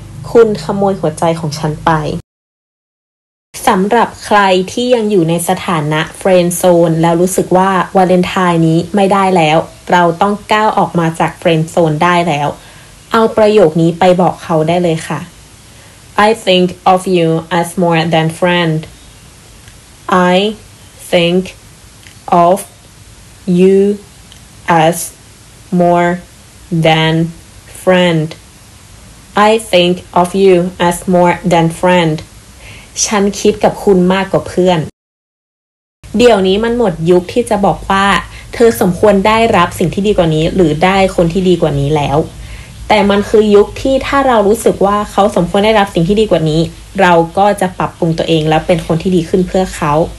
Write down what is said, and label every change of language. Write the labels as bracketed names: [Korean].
[Thai] คุณขโมยหัวใจของฉันไปสำหรับใครที่ยังอยู่ในสถานะเฟรนด์โซนแล้วรู้สึกว่าวาเลนไทน์นี้ไม่ได้แล้วเราต้องก้าวออกมาจากเฟรนด์โซนได้แล้วเอาประโยคนี้ไปบอกเขาได้เลยค่ะ [English] I think of you as more than friend. I think of you as more than friend. I think of you as more than friend. [Thai] ฉันคิดกับคุณมากกว่าเพื่อนเดี๋ยวนี้มันหมดยุคที่จะบอกว่าเธอสมควรได้รับสิ่งที่ดีกว่านี้หรือได้คนที่ดีกว่านี้แล้วแต่มันคือยุคที่ถ้าเรารู้สึกว่าเขาสมควรได้รับสิ่งที่ดีกว่านี้เราก็จะปรับปรุงตัวเองแล้วเป็นคนที่ดีขึ้นเพื่อเขา